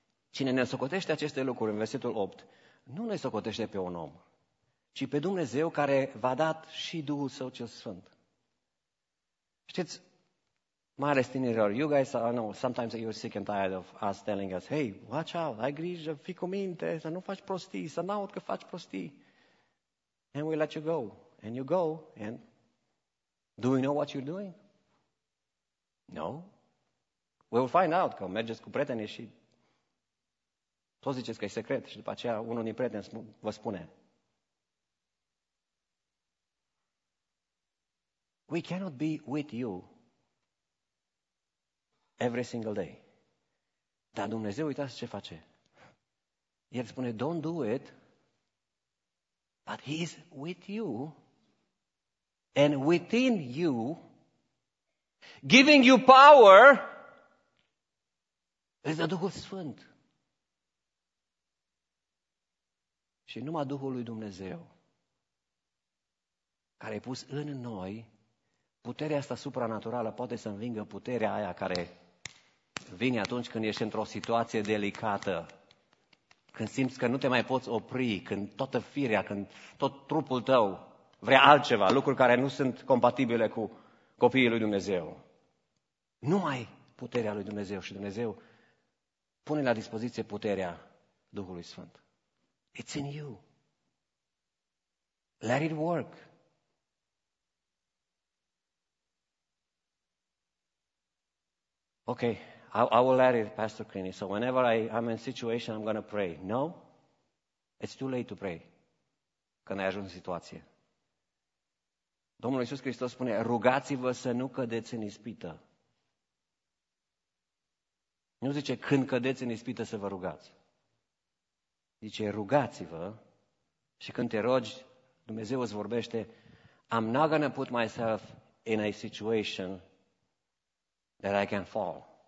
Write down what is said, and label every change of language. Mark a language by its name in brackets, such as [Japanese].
[Romanian] Cine ne socotește aceste lucruri, în versetul 8, nu ne socotește pe un om, ci pe Dumnezeu care v-a dat și Duhul Său cel Sfânt. Știți, mai ales tinerilor, [English] you guys, I know, sometimes you're sick and tired of us telling us, hey, watch out, [Romanian] ai grijă, fii cu minte, să nu faci prostii, să n-aud că faci prostii. [English] And we let you go. And you go, and do we know what you're doing? No. We will find out, [Romanian] că mergeți cu prietenii și toți ziceți că e secret și după aceea unul din prieteni vă spune. [English] We cannot be with you every single day. [Romanian] Dar Dumnezeu, uitați ce face. El spune, [English] don't do it, but he is with you and within you, giving you power is the Duhul Sfânt. [Romanian] Și numai Duhul lui Dumnezeu, care a pus în noi puterea asta supranaturală, poate să învingă puterea aia care vine atunci când ești într-o situație delicată, când simți că nu te mai poți opri, când toată firea, când tot trupul tău vrea altceva, lucruri care nu sunt compatibile cu copiii lui Dumnezeu. Nu ai puterea lui Dumnezeu și Dumnezeu pune la dispoziție puterea Duhului Sfânt. [English] It's in you. Let it work. Okay, I will let it, Pastor Crini. So whenever I'm in situation, I'm going to pray. No, it's too late to pray. [Romanian] Când ai ajuns în situație. Domnul Iisus Hristos spune, rugați-vă să nu cădeți în ispită. Nu zice, când cădeți în ispită să vă rugați. Zice, rugați-vă și când te rogi, Dumnezeu îți vorbește, [English] I'm not going to put myself in a situation that I can fall.